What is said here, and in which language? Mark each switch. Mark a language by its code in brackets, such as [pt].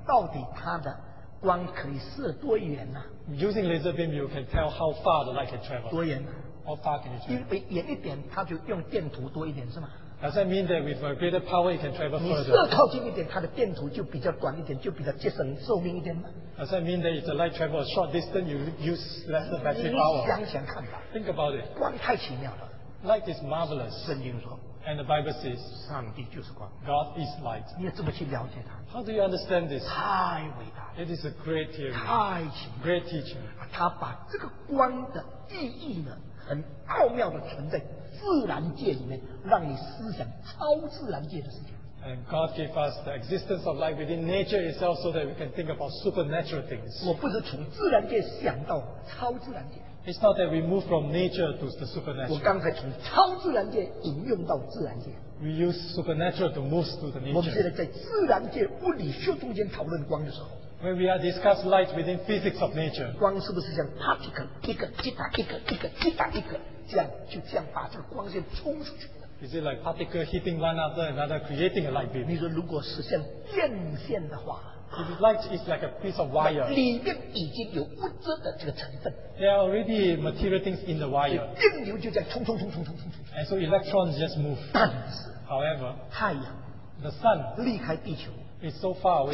[zh] 你就知道到底它的光可以射多远啊。 [en] Using laser beam you can tell how far the light can travel. [zh] 多远, [en] how far can it travel? [zh] 因为远一点, 它就用电图多一点是吗? [en] Does that mean that with a greater power it can travel further? [zh] 你射靠近一点, 它的电图就比较短一点, 就比较节省寿命一点吗? [en] Does that mean that if the light travels a short distance you use lesser battery power? [zh] 你想想看吧, [en] think about it. [zh] 光太奇妙了, [en] light is marvelous. [zh] 圣经说, [en] and the Bible says, [zh] 上帝就是光, [en] God is light. [zh] 你要这么去了解它, [en] how do you understand this? [zh] 太伟大, [en] it is a great theory. [zh] 太奇妙, [en] great teaching. [zh] 它把这个光的意义呢, 很奥妙地存在自然界里面, 让你思想超自然界的事情。 [en] And God gave us the existence of light within nature itself so that we can think about supernatural things. [zh] 我不是从自然界想到超自然界。 [en] It's not that we move from nature to the supernatural. [zh] 我刚才从超自然界引用到自然界。 [en] We use supernatural to move to the nature. [zh] 我们现在在自然界物理学中间讨论光的时候, [en] when we are discuss light within physics of nature, [zh] 光是不是像 particle, 一个击打一个，这样就这样把这个光线冲出去。 [en] Is it like particle hitting one after another, creating a light beam? [zh] 你说如果实现电线的话, [en] If it's light, it's like a piece of wire. [zh] 里面已经有物质的这个成分。 [en] There are already material things in the wire. [zh] 电流就在冲冲冲冲冲冲冲。 [en] And so electrons just move. [zh] 但是 [en] ，however， [zh] 太阳 [en] ，the sun， [zh] 离开地球 [en] ，is so far away，